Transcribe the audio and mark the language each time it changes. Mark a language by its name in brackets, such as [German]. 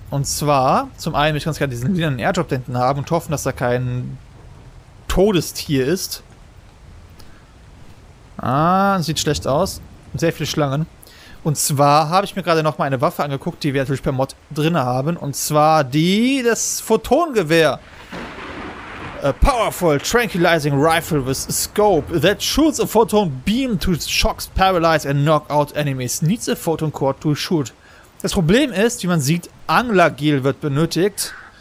[German] Und zwar, zum einen möchte ich ganz gerne diesen lilanen Airdrop denn haben und hoffen, dass da kein Todestier ist. Ah, sieht schlecht aus. Sehr viele Schlangen. Und zwar habe ich mir gerade noch mal eine Waffe angeguckt, die wir natürlich per Mod drin haben. Und zwar das Photongewehr. [English] A powerful tranquilizing rifle with scope that shoots a photon beam to shock, paralyze and knock out enemies. Needs a photon core to shoot. [German] Das Problem ist, wie man sieht, Anglergel wird benötigt.